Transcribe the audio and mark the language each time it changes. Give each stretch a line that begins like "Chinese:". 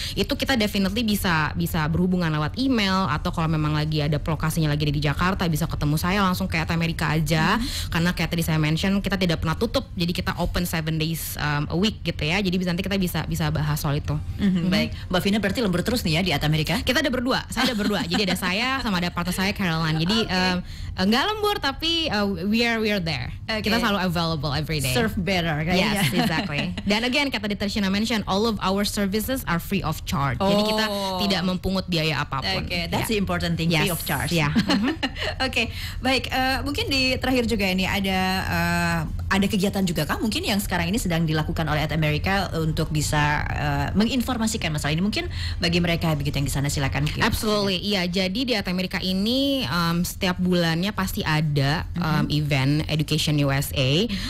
Indonesian: Itu kita definitely bisa berhubungan lewat email, atau kalau memang lagi ada lokasinya lagi di Jakarta bisa ketemu saya langsung kayak Amerika aja. Karena kayak tadi saya mention, kita tidak pernah tutup, jadi kita
English: open 7 days a week
Indonesian: gitu ya. Jadi nanti kita bisa bahas soal itu. Baik, Mbak Vina berarti lembur terus nih ya di Amerika. Kita ada berdua, saya ada berdua. Jadi ada saya sama ada partner saya Caroline. Jadi enggak lembur, tapi
English: we are there. Okay.
Indonesian: Kita selalu
English: available every day. Serve better, kayaknya. Yes, exactly. Dan again, kata Tershina mention, all of our services are free of charge.
Indonesian: Oh. Jadi kita tidak mempungut biaya apapun.
English: Okay, that's the important thing, free of charge. Yeah. Okay.
Indonesian: Baik, mungkin di terakhir juga ini ada kegiatan juga kah mungkin yang sekarang ini sedang dilakukan oleh At America untuk bisa menginformasikan masalah ini mungkin bagi mereka begitu yang di sana, silakan. Absolutely. Iya, jadi di At America ini setiap bulannya pasti ada event Education USA.